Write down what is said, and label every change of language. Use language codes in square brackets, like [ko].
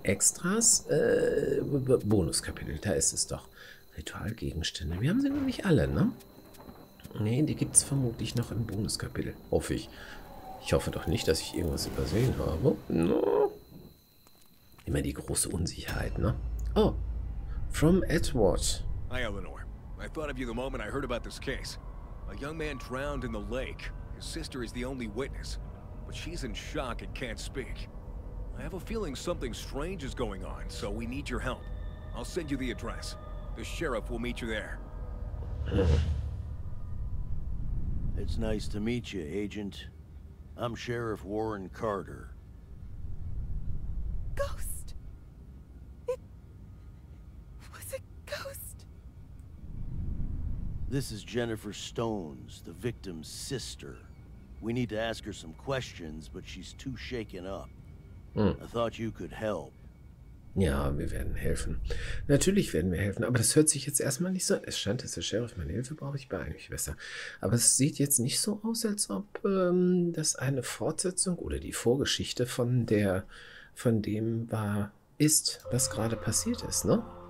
[de] Extras, Bonuskapitel, da ist es doch. Ritualgegenstände, wir haben sie noch nicht alle, ne? Nee, die gibt es vermutlich noch im Bonuskapitel, hoffe ich. Ich hoffe doch nicht, dass ich irgendwas übersehen habe. No. Immer die große Unsicherheit, ne? [en] Oh, from Edward. Hi, Eleanor. I thought of you the moment I heard about this case. A young man drowned in the lake. His sister is the only witness. But she's in shock and can't speak. I have a feeling something strange is going on, so we need your help. I'll send you the address. The sheriff will meet you there. It's nice to meet you, Agent. I'm Sheriff Warren Carter. Ghost! It was a ghost! This is Jennifer Stones, the victim's sister. We need to ask her some questions, but she's too shaken up. I thought you could help. [de] Ja, wir werden helfen. Natürlich werden wir helfen, aber das hört sich jetzt erstmal nicht so an. Es scheint, dass der Sheriff meine Hilfe braucht. Ich bin eigentlich besser. Aber es sieht jetzt nicht so aus, als ob das eine Fortsetzung oder die Vorgeschichte von dem ist, was gerade passiert ist, ne?